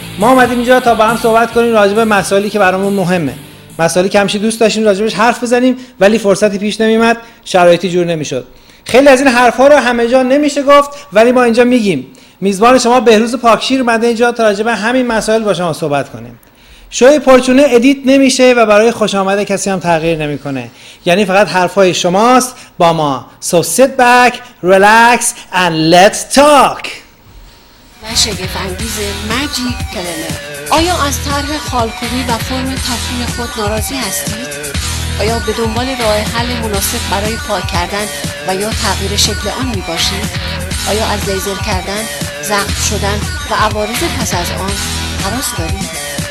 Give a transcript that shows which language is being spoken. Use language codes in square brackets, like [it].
[fa] ما اومدیم اینجا تا با هم صحبت کنیم راجع به مسائلی که برامون مهمه، مسائلی که همیشه دوست داشتیم راجعش حرف بزنیم ولی فرصتی پیش نمیومد، شرایطی جور نمیشد. خیلی از این حرفا رو همه جا نمیشه گفت ولی ما اینجا میگیم. میزبان شما بهروز پاکشیر اومده اینجا تا راجع به همین مسائل با شما صحبت کنه. شوی پرچونه ادیت نمیشه و برای خوش آمده کسی هم تغییر نمیکنه. یعنی فقط حرفای شماست با ما. [en] So sit back, relax and let's talk. [fa] شگفت انگیز ماجیک پلنر، آیا از طرح خالکوبی و فرم تفریح خود ناراضی هستید؟ آیا به دنبال راه حل مناسب برای پاک کردن و یا تغییر شکل آن میباشید؟ آیا از لیزر کردن، زخم شدن و عوارض پس از آن هراس دارید؟